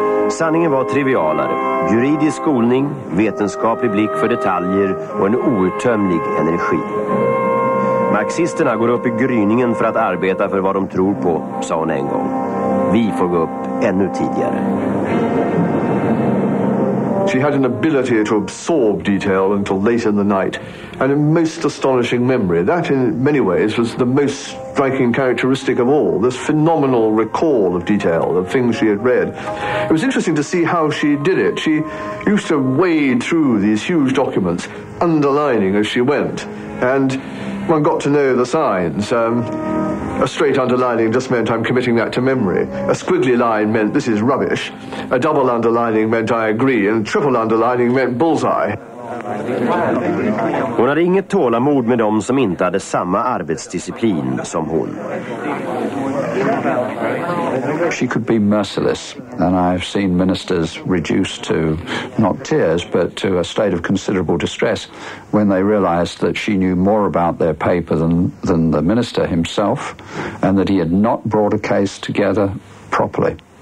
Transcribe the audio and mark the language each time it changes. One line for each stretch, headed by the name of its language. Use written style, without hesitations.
Swedish: Sanningen var trivialare. Juridisk skolning, vetenskaplig blick för detaljer och en outtömlig energi. Marxisterna går upp i gryningen för att arbeta för vad de tror på, sa hon en gång. Vi får gå upp ännu tidigare.
English: She had an ability to absorb detail until late in the night, and a most astonishing memory. That, in many ways, was the most striking characteristic of all, this phenomenal recall of detail, of things she had read. It was interesting to see how she did it. She used to wade through these huge documents, underlining as she went, and one got to know the signs. A straight underlining just meant I'm committing that to memory. A squiggly line meant this is rubbish. A double underlining meant I agree. And triple underlining meant bullseye.
Swedish: Hon hade inget tålamod med dem som inte hade samma arbetsdisciplin som hon.
English: She could be merciless, and I've seen ministers reduced to not tears, but to a state of considerable distress when they realized that she knew more about their paper than the minister himself, and that he had not brought a case together properly.